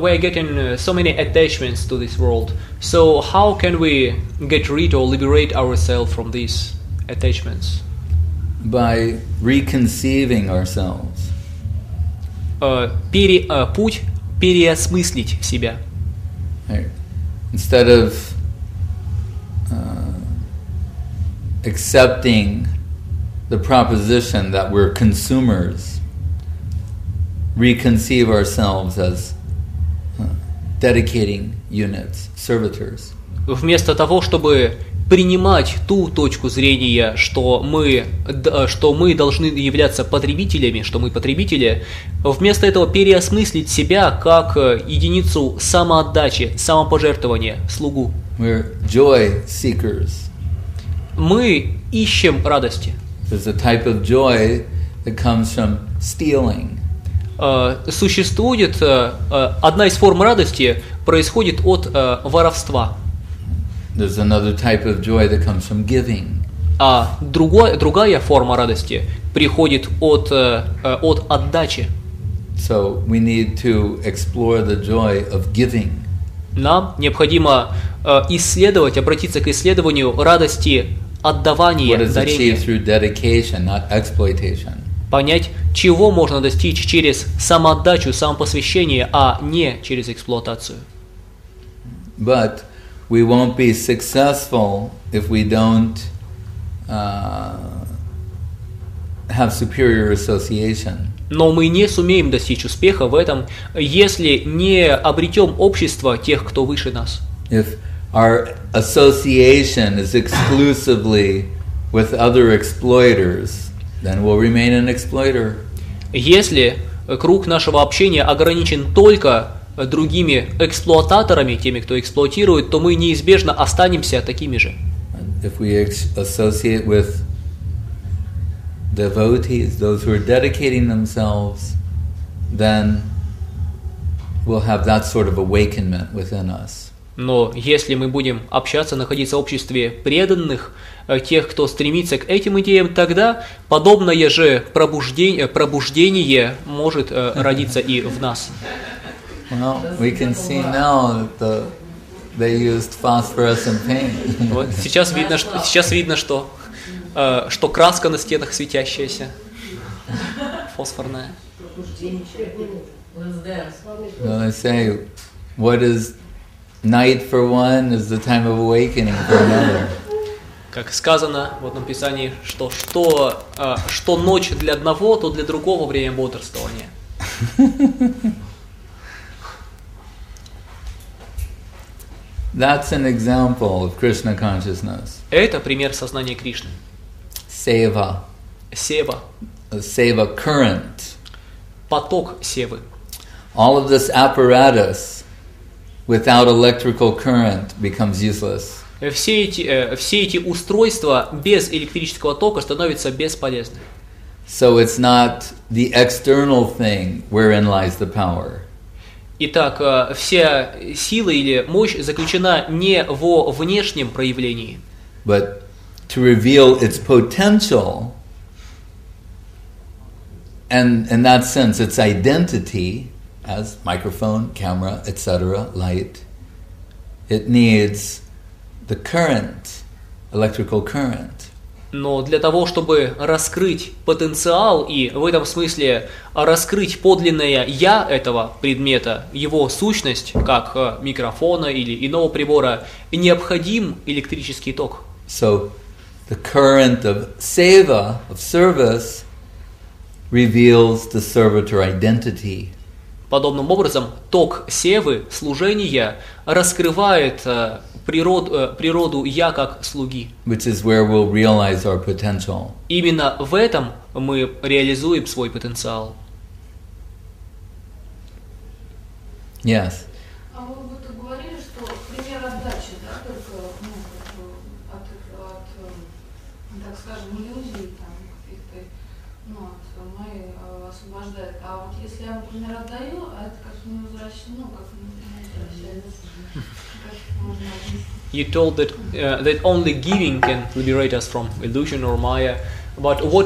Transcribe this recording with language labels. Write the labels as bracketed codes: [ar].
[en] We're getting so many attachments to this world. So how can we get rid or liberate ourselves from these attachments? By reconceiving ourselves. [ru] Путь переосмыслить себя. [en] Instead of accepting the proposition that we're consumers, reconceive ourselves as dedicating units, servitors. [ru] Вместо того, чтобы принимать ту точку зрения, что мы должны являться потребителями, что мы потребители, вместо этого переосмыслить себя как единицу самоотдачи, самопожертвования, слугу. [en] We're joy seekers. [ru] Мы ищем радости. [en] There's a type of joy that comes from stealing. [ru] Существует одна из форм радости происходит от воровства. [en] There's another type of joy that comes from giving. [ru] А другая форма радости приходит от отдачи. [en] So we need to explore the joy of giving. [ru] Нам необходимо исследовать, обратиться к исследованию радости отдавания, дарения. [en] What is achieved through dedication, not exploitation? [ru] Понять, чего можно достичь через самоотдачу, самопосвящение, а не через эксплуатацию. [en] But we won't be successful if we don't have superior association. [ru] Но мы не сумеем достичь успеха в этом, если не обретем общество тех, кто выше нас. [en] If our association is exclusively with other exploiters, then we'll remain an exploiter. [ru] Если круг нашего общения ограничен только другими эксплуататорами, теми, кто эксплуатирует, то мы неизбежно останемся такими же. [en] If we associate with devotees, those who are dedicating themselves, then we'll have that sort of awakenment within us. [ru] Но если мы будем общаться, находиться в обществе преданных, тех, кто стремится к этим идеям, тогда подобное же пробуждение может родиться и в нас. [en] Well, we can see now that they used phosphorescent paint. [ru] Вот сейчас видно, что что краска на стенах светящаяся, фосфорная. [en] Well, I say, what is night for one is the time of awakening for another. [ru] Как сказано в одном писании, что ночь для одного, то для другого время бодрствования. [en] That's an example of Krishna consciousness. [ru] Это пример сознания Кришны. Сева. Сева. [en] Сева current. [ru] Поток севы. [en] All of this apparatus without electrical current becomes useless. [ru] Все эти устройства без электрического тока становятся бесполезны. [en] So it's not the external thing wherein lies the power. [ru] Итак, вся сила или мощь заключена не во внешнем проявлении. [en] But to reveal its potential, and in that sense its identity as microphone, camera, etc., light, it needs the current, electrical current. [ru] Но для того, чтобы раскрыть потенциал и в этом смысле раскрыть подлинное «я» этого предмета, его сущность, как микрофона или иного прибора, необходим электрический ток. [en] So, the current of seva, of service, reveals the servitor identity. [ru] Подобным образом, ток севы, служения, раскрывает природу «я» как слуги. [en] Which is where we'll realize our potential. [ru] Именно в этом мы реализуем свой потенциал. [en] Yes. [ru] А вы бы то говорили, что пример отдачи, да, только от так скажем, иллюзий, там, мы освобождаем. А вот если я, например, отдаю, а это как не возвращается, как не возвращается, как можно объяснить? [en] You told that that only giving can liberate us from illusion or maya, but what